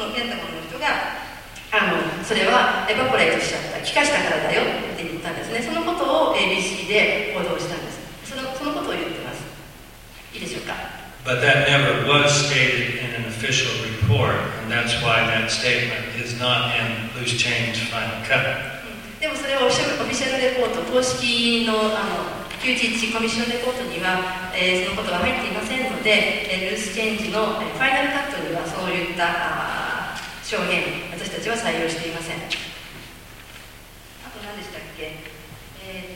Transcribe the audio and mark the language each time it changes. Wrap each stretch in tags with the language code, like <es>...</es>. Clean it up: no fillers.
<ja>それはエバポレートしちゃった気化したからだよって言ったんですね。そのことを ABC で報道したんです。そのことを言ってます。いいでしょうか。</ja> <en>But that never was stated in an official report, and that's why that statement is not in Loose Change's final cut.</en> <ja>でもそれはオフィシャルレポート、公式の QT1 コミッションレポートには、そのことが入っていませんので、Loose Change のファイナルカットにはそういった証言、私たちは採用していません。あと何でしたっけ。</ja>